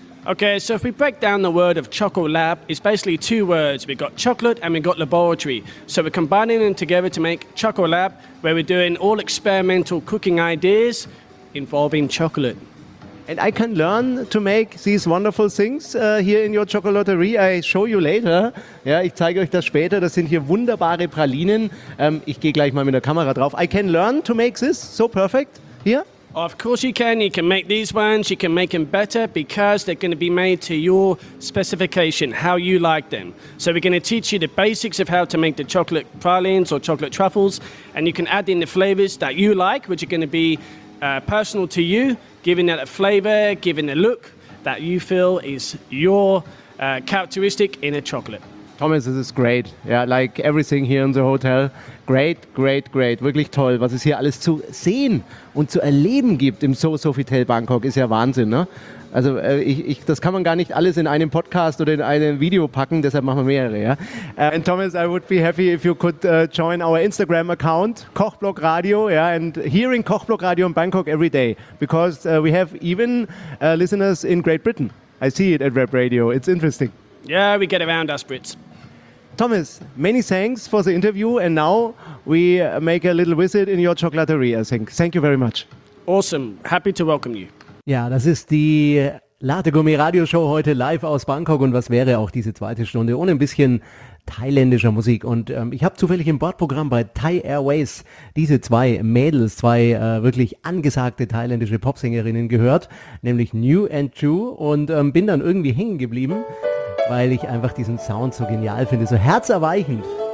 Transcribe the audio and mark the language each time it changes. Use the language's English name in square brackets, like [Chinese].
[English] Okay, so if we break down the word of Chocolab, it's basically two words. We've got chocolate and we've got laboratory. So we're combining them together to make Chocolab, where we're doing all experimental cooking ideas involving chocolate. And I can learn to make these wonderful things here in your chocolaterie. I show you later. [German] Ja, ich zeige euch das später. Das sind hier wunderbare Pralinen. Ich gehe gleich mal mit der Kamera drauf. [English] I can learn to make this so perfect here? Of course you can. You can make these ones. You can make them better because they're going to be made to your specification, how you like them. So we're going to teach you the basics of how to make the chocolate pralines or chocolate truffles. And you can add in the flavors that you like, which are going to be personal to you, giving that a flavor, giving a look that you feel is your characteristic in a chocolate. Thomas, this is great. Yeah, like everything here in the hotel. Great, great, great. [German] Wirklich toll, was es hier alles zu sehen und zu erleben gibt im So-Sofitel Bangkok. Ist ja Wahnsinn, ne? Also ich, das kann man gar nicht alles in einem Podcast oder in einem Video packen, deshalb machen wir mehrere, ja? [English] And Thomas, I would be happy if you could join our Instagram account, Kochblog Radio, yeah, and hearing Kochblog Radio in Bangkok every day, because we have even listeners in Great Britain. I see it at Web Radio, it's interesting. Yeah, we get around us Brits. Thomas, many thanks for the interview, and now we make a little visit in your chocolaterie, I think. Thank you very much. Awesome, happy to welcome you. [German] Ja, das ist die Latte-Gourmet-Radio-Show heute live aus Bangkok. Und was wäre auch diese zweite Stunde ohne ein bisschen thailändischer Musik? Und ich habe zufällig im Bordprogramm bei Thai Airways diese zwei Mädels, zwei wirklich angesagte thailändische Popsängerinnen gehört, nämlich New and True, und bin dann irgendwie hängen geblieben, weil ich einfach diesen Sound so genial finde, so herzerweichend.